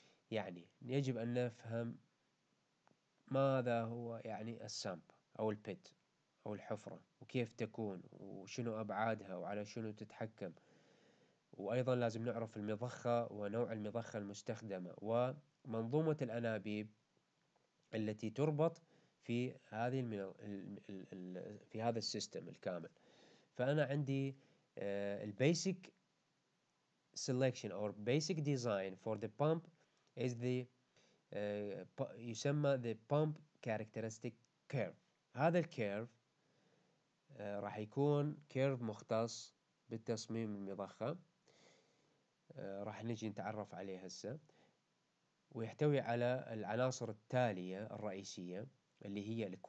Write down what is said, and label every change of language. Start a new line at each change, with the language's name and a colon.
Arabic: يعني يجب أن نفهم ماذا هو يعني السمب أو البيت أو الحفرة وكيف تكون وشنو أبعادها وعلى شنو تتحكم، وأيضا لازم نعرف المضخة ونوع المضخة المستخدمة ومنظومة الأنابيب التي تربط في هذه في هذا السيستم الكامل. فأنا عندي
English: basic selection or basic design for the pump is the
Arabic: يسمى
English: the pump characteristic curve.
Arabic: هذا الكيرف راح يكون كيرف مختص بالتصميم المضخة، راح نجي نتعرف عليه هسه، ويحتوي على العناصر التالية الرئيسية اللي هي